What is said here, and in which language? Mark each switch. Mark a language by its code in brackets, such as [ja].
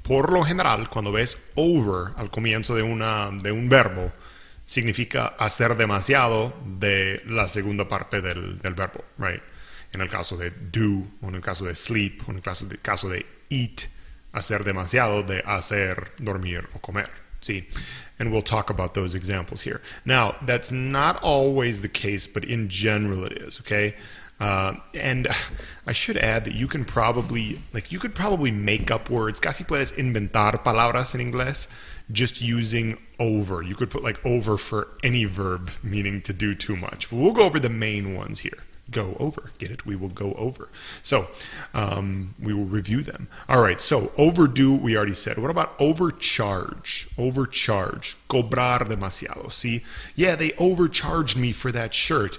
[es] Por lo general, cuando ves over al comienzo de un verbo, significa hacer demasiado de la segunda parte del verbo, right? En el caso de do, o en el caso de sleep, o en el caso de eat, hacer demasiado de hacer, dormir, o comer. [en] See, and we'll talk about those examples here. Now, that's not always the case, but in general it is, okay? And I should add that you could probably make up words. [es] Casi puedes inventar palabras en inglés [en] just using over. You could put like over for any verb meaning to do too much. But we'll go over the main ones here. Go over. Get it? We will go over. So we will review them. All right. So overdo, we already said. What about overcharge? Overcharge. [es] Cobrar demasiado. [en] See? Yeah, they overcharged me for that shirt.